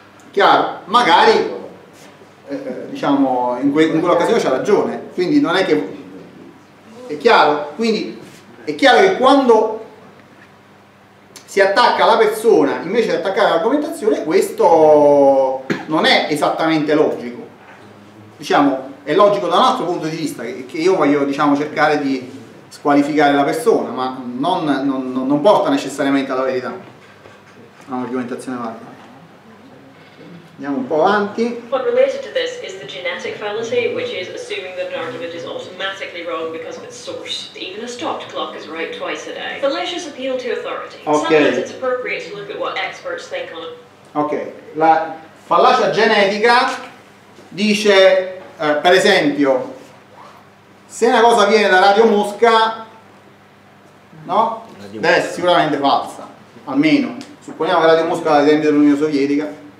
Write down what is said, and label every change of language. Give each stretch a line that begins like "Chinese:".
Italian: Chiaro, magari diciamo in quell'occasione c'ha ragione, quindi non è che è chiaro, quindi è chiaro che quando si attacca la persona invece di attaccare l'argomentazione, questo non è esattamente logico, diciamo, è logico da un altro punto di vista, che io voglio, diciamo, cercare di squalificare la persona, ma non porta necessariamente alla verità. È un'argomentazione valida. Andiamo un po' avanti.
English: What related to this is the genetic fallacy, which is assuming that an argument is automatically wrong because of its source. Even a stopped clock is right twice a day. Fallacious appeal to authority. Okay. Sometimes it's appropriate to look at what experts think on it.
Italian: Ok, la fallacia genetica dice, per esempio, se una cosa viene da Radio Mosca, no? Beh, è sicuramente falsa, almeno. Supponiamo che Radio Mosca sia ai tempi dell'Unione Sovietica.